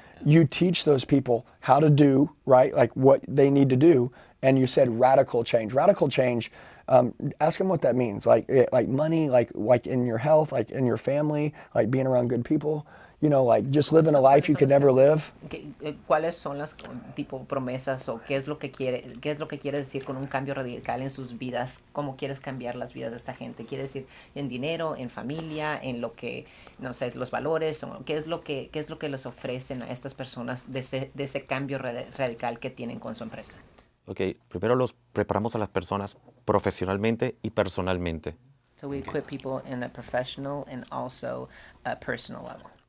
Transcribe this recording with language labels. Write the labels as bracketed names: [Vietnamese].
[English] You teach those people how to do, right? Like what they need to do. And you said radical change. Radical change, ask them what that means. Like money, like in your health, like in your family, like being around good people. You know, like just living a life you could never live. [Spanish] ¿Cuáles son las tipo promesas o qué es lo que quiere decir con un cambio radical en sus vidas? ¿Cómo quieres cambiar las vidas de esta gente? ¿Quiere decir en dinero, en familia, en lo que, no sé, los valores? ¿Qué es lo que les ofrecen a estas personas de ese cambio radical que tienen con su empresa? Okay, primero los preparamos a las personas profesionalmente y personalmente. [English] So we equip people in a professional and also a personal level.